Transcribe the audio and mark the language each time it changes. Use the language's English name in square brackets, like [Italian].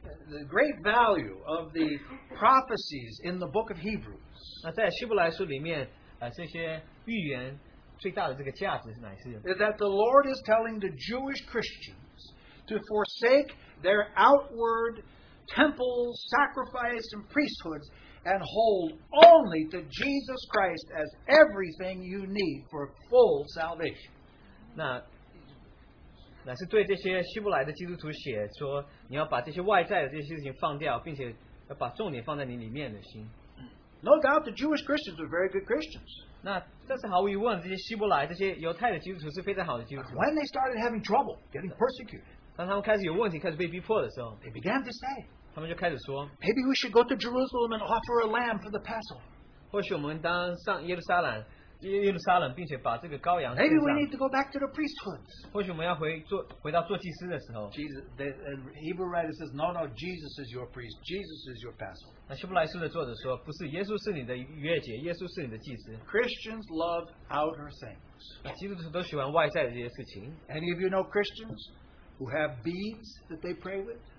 [English] The great value of the prophecies in the book of Hebrews. [Chinese] 那在希伯来书里面，这些预言最大的这个价值是哪些 [English] ？Is that the Lord is telling the Jewish Christians to forsake their outward temples, sacrifice, and priesthoods? And hold only to Jesus Christ as everything you need for full salvation. [Chinese] 那是对这些希伯来的基督徒写说，你要把这些外在的这些事情放掉，并且要把重点放在你里面的心。 [English] No doubt the Jewish Christians were very good Christians. [Chinese] 那这是毫无疑问，这些希伯来这些犹太的基督徒是非常好的基督徒。 [English] When they started having trouble, getting persecuted, [Chinese] 当他们开始有问题，开始被逼迫的时候 [English] ，they began to say. [Chinese] 他们就开始说 [English] Maybe we should go to Jerusalem and offer a lamb for the Passover. [Chinese] 或许我们当上耶路撒冷，耶路撒冷，并且把这个羔羊。 [English] Maybe we need to go back to the priesthood. [Chinese] 或许我们要回到做祭司的时候。 [English] Jesus, the Hebrew writer says, "No, no, Jesus is your priest. Jesus is your Passover." [Chinese] 那希伯来书的作者说，不是耶稣是你的逾越节，耶稣是你的祭司。 [English] Christians love outer things. [Chinese] 基督徒都喜欢外在的这些事情。 [English] Any of you know Christians who have beads that they pray with?